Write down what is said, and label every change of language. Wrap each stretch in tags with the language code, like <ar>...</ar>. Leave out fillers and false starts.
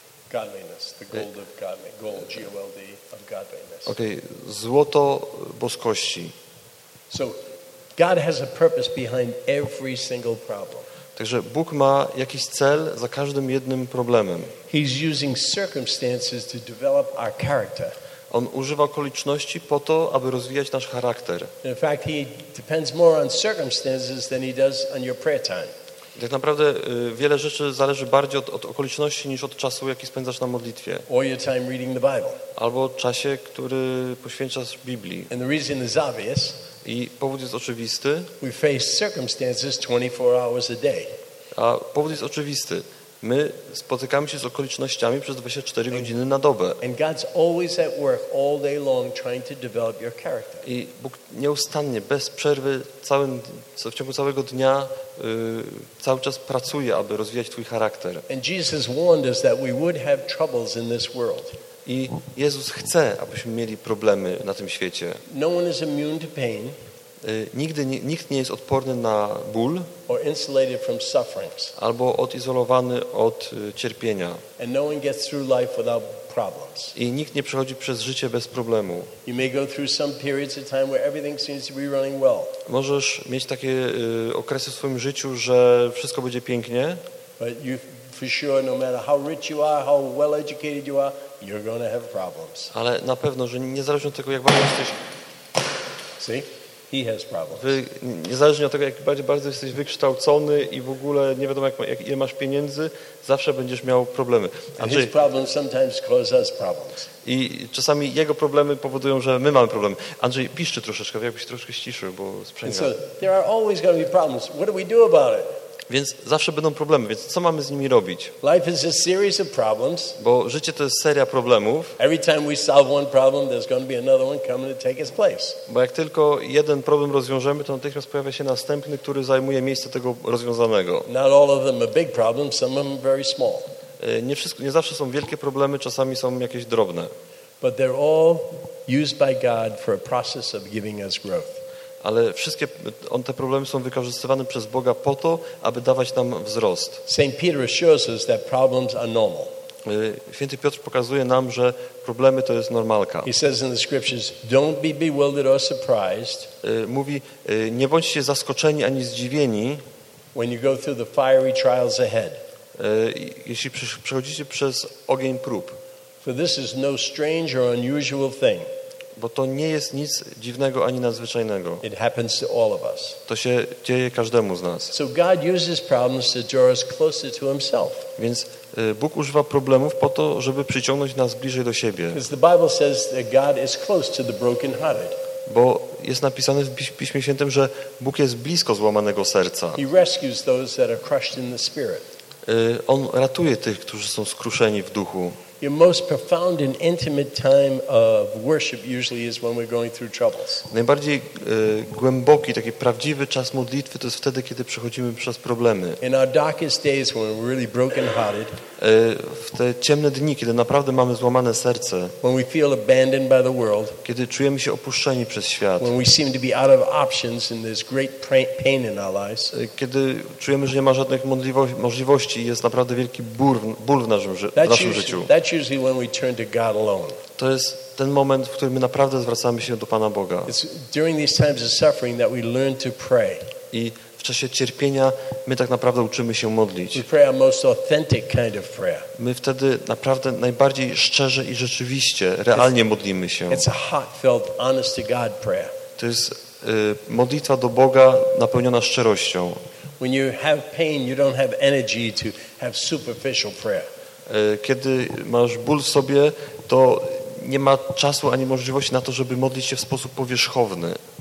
<en>Godliness, the gold of godliness, gold, G-O-L-D, of godliness.</en> <pl>Okay, złoto boskości.</pl> <en>So, God has a purpose behind every single problem.</en> <pl>Także Bóg ma jakiś cel za każdym jednym problemem.</pl> <en>He's using circumstances to develop our character.</en> <pl>On używa okoliczności po to, aby rozwijać nasz charakter.</pl> <en>In fact, he depends more on circumstances than he does on your prayer time.</en> <pl>Tak naprawdę wiele rzeczy zależy bardziej od okoliczności niż od czasu, jaki spędzasz na modlitwie.</pl> <en>Or your time reading the Bible.</en> <pl>Albo czasie, który poświęcasz Biblii.</pl> <en>And the reason is obvious.</en> <pl>I powód jest oczywisty.</pl> <en>We face circumstances 24 hours a day.</en> <pl>A powód jest oczywisty. My spotykamy się z okolicznościami przez 24 godziny na dobę.</pl> <en>And God's always at work all day long trying to develop your character.</en> <pl>I Bóg nieustannie, bez przerwy, w ciągu całego dnia cały czas pracuje, aby rozwijać twój charakter.</pl> <en>And Jesus warned us that we would have troubles in this world.</en> <pl>I Jezus chce, abyśmy mieli problemy na tym świecie.</pl> <en>No one is immune to pain.</en> <pl>Nikt nie jest odporny na ból</pl> <en>or insulated from sufferings.</en> <pl>Albo odizolowany od cierpienia.</pl> <en>And no one gets through life without problems.</en> <pl>I nikt nie przechodzi przez życie bez problemu.</pl> <en>You may go through some periods of time where everything seems to be running well.</en> <pl>Możesz mieć takie okresy w swoim życiu, że wszystko będzie pięknie.</pl> <en>But you for sure, no matter how rich you are, how well educated you are, you're going to have problems.</en> <pl>Ale na pewno, że niezależnie od tego, jak bardzo jesteś...</pl> <en>See? He has problems.</en> <pl>Niezależnie od tego, jak bardzo jesteś wykształcony i w ogóle nie wiadomo, ile masz pieniędzy, zawsze będziesz miał problemy.</pl> <en>Andrzej, his problems sometimes cause us problems.</en> <pl>I czasami jego problemy powodują, że my mamy problemy. Andrzej, piszczy troszeczkę, jakbyś troszkę ściszył, bo sprzęga.</pl> <en>So, there are always going to be problems. What do we do about it?</en> <pl>Więc zawsze będą problemy, więc co mamy z nimi robić?</pl> <en>Life is a series of problems.</en> <pl>Bo życie to jest seria problemów.</pl> <en>Every time we solve one problem, there's going to be another one coming to take its place.</en> <pl>Bo jak tylko jeden problem rozwiążemy, to natychmiast pojawia się następny, który zajmuje miejsce tego rozwiązanego.</pl> <en>Not all of them are big problems, some of them are very small.</en> <pl>Nie zawsze są wielkie problemy, czasami są jakieś drobne.</pl> <en>But they're all used by God for a process of giving us growth.</en> <pl>Ale wszystkie te problemy są wykorzystywane przez Boga po to, aby dawać nam wzrost.</pl> <en>Saint Peter assures us that problems are normal.</en> <pl>Święty Piotr pokazuje nam, że problemy to jest normalka.</pl> <en>He says in the scriptures, don't be bewildered or surprised.</en> <pl>Mówi, nie bądźcie zaskoczeni ani zdziwieni,</pl> <en>when you go through the fiery trials ahead.</en> <pl>Jeśli przechodzicie przez ogień prób.</pl> <en>For this is no strange or unusual thing.</en> <pl>Bo to nie jest nic dziwnego ani nadzwyczajnego.</pl> <en>It happens to all of us.</en> <pl>To się dzieje każdemu z nas.</pl> <en>So God uses problems to draw us closer to himself.</en> <pl>Więc Bóg używa problemów po to, żeby przyciągnąć nas bliżej do siebie.</pl> <en>As the Bible says that God is close to the brokenhearted.</en> <pl>Bo jest napisane w Piśmie Świętym, że Bóg jest blisko złamanego serca.</pl> <en>He rescues those that are crushed in the spirit.</en> <pl>On ratuje tych, którzy są skruszeni w duchu.</pl> <en>Your most profound and intimate time of worship usually is when we're going through troubles.</en> <pl>Najbardziej głęboki, taki prawdziwy czas modlitwy to jest wtedy, kiedy przechodzimy przez problemy.</pl> <en>In our darkest days when we're really broken hearted.</en> <pl>W te ciemne dni, kiedy naprawdę mamy złamane serce.</pl> <en>When we feel abandoned by the world.</en> <pl>Kiedy czujemy się opuszczeni przez świat.</pl> <en>When we seem to be out of options and there's great pain in our lives.</en> <pl>Kiedy czujemy, że nie ma żadnych możliwości i jest naprawdę wielki ból w naszym życiu.</pl> <en>That's usually when we turn to God alone.</en> <pl>To jest ten moment, w którym my naprawdę zwracamy się do Pana Boga.</pl> <en>It's during these times of suffering that we learn to pray.</en> <pl>I w czasie cierpienia my tak naprawdę uczymy się modlić.</pl> <en>We pray our most authentic kind of prayer.</en> <pl>My wtedy naprawdę najbardziej szczerze i rzeczywiście, realnie modlimy się.</pl> <en>It's a heartfelt, honest to God prayer.</en> <pl>To jest modlitwa do Boga napełniona szczerością.</pl> <en>When you have pain, you don't have energy to have superficial prayer.</en> <pl>Kiedy masz ból w sobie, to nie ma czasu ani możliwości na to, żeby modlić się w sposób powierzchowny.</pl>